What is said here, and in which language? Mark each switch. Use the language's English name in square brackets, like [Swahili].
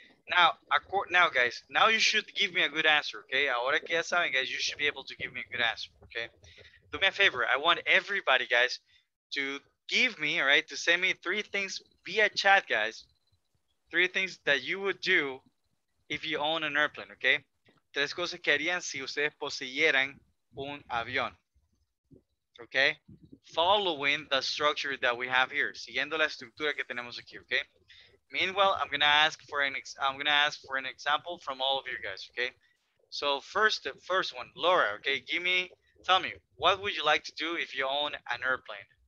[English] Now, guys, you should give me a good answer, okay? [Spanish] Ahora que ya saben, [English] guys, you should be able to give me a good answer, okay? Do me a favor. I want everybody, guys, to give me, all right, to send me three things via chat, guys. Three things that you would do if you own an airplane, okay? [Spanish] Tres cosas que harían si ustedes poseyeran un avión, okay? [English] Following the structure that we have here. [Spanish] Siguiendo la estructura que tenemos aquí, [English] okay? Meanwhile, I'm gonna ask for an example from all of you guys, okay? So first one, Laura, okay? Tell me, what would you like to do if you own an airplane?